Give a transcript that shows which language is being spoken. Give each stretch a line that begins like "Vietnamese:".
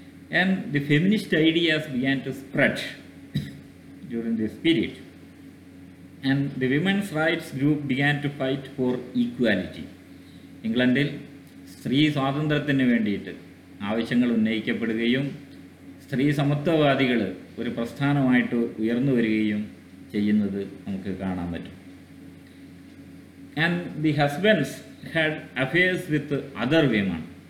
English: And the feminist ideas began to spread during this period. And the women's rights group began to fight for equality.
Malayalam: ഇംഗ്ലണ്ടിൽ സ്ത്രീ സ്വാതന്ത്ര്യത്തിന് വേണ്ടിയിട്ട് ആവശ്യങ്ങൾ ഉന്നയിക്കപ്പെടുകയും സ്ത്രീ സമത്വവാദികൾ ഒരു പ്രസ്ഥാനമായിട്ട് ഉയർന്നു വരികയും ചെയ്യുന്നത് നമുക്ക് കാണാൻ പറ്റും.
English: And the husbands had affairs with other women.